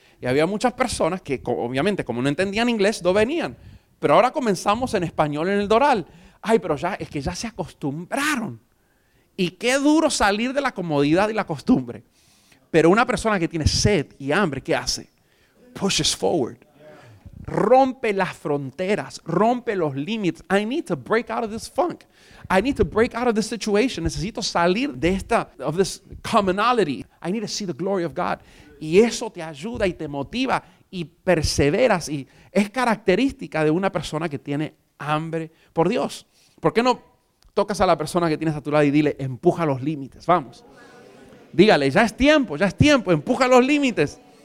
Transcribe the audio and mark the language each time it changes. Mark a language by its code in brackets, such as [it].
[es] Y había muchas personas que, obviamente, como no entendían inglés, no venían. Pero ahora comenzamos en español en el Doral. Ay, pero ya es que ya se acostumbraron. Y qué duro salir de la comodidad y la costumbre. Pero una persona que tiene sed y hambre, ¿qué hace? [en] Pushes forward. [es] rompe las fronteras, rompe los límites. [en] I need to break out of this funk. I need to break out of this situation. [es] Necesito salir de esta, [en] of this commonality. I need to see the glory of God. [es] Y eso te ayuda y te motiva y perseveras. Y es característica de una persona que tiene hambre por Dios. ¿Por qué no tocas a la persona que tienes a tu lado y dile, empuja los límites? Vamos. Dígale, ya es tiempo, empuja los límites.